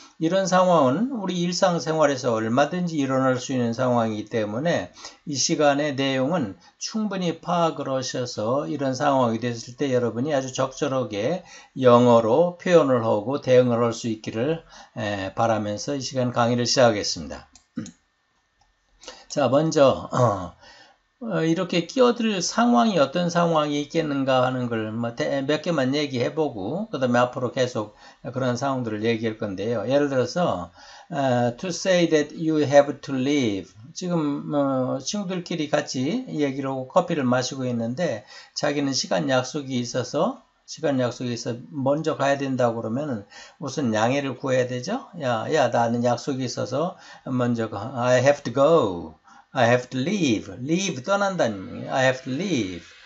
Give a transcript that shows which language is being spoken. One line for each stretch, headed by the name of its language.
Korean: 이런 상황은 우리 일상생활에서 얼마든지 일어날 수 있는 상황이기 때문에 이 시간의 내용은 충분히 파악을 하셔서 이런 상황이 됐을 때 여러분이 아주 적절하게 영어로 표현을 하고 대응을 할 수 있기를 바라면서 이 시간 강의를 시작하겠습니다. 자, 먼저 이렇게 끼어들 상황이 어떤 상황이 있겠는가 하는 걸몇 개만 얘기해 보고 그 다음에 앞으로 계속 그런 상황들을 얘기할 건데요. 예를 들어서
English: to say that you have to leave.
Korean: 지금 친구들끼리 같이 얘기를 하고 커피를 마시고 있는데 자기는 시간 약속이 있어 먼저 가야 된다고 그러면 우선 양해를 구해야 되죠. 야, 나는 약속이 있어서 먼저 가.
English: I have to go. I have to leave. Leave,
Korean: 떠난다는
English: I have to leave.